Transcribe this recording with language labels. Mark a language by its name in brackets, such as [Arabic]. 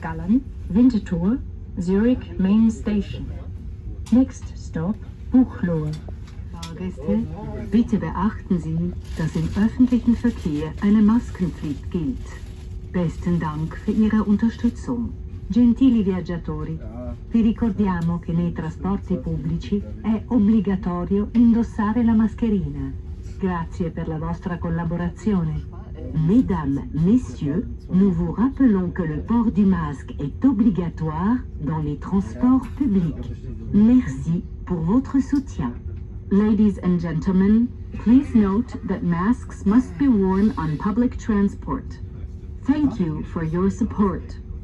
[English] Gallen, Winterthur, Zurich Main Station. Next stop, Buchloe. [German] Fahrgäste, bitte beachten Sie, dass im öffentlichen Verkehr eine Maskenpflicht gilt. Besten Dank für Ihre Unterstützung. [Italian] Gentili viaggiatori, vi ricordiamo che nei trasporti pubblici è obbligatorio indossare la mascherina. Grazie per la vostra collaborazione. [French] Mesdames, messieurs, nous vous rappelons que le port du masque est obligatoire dans les transports publics. Merci pour votre soutien. [English] Ladies and gentlemen, please note that masks must be worn on public transport. Thank you for your support.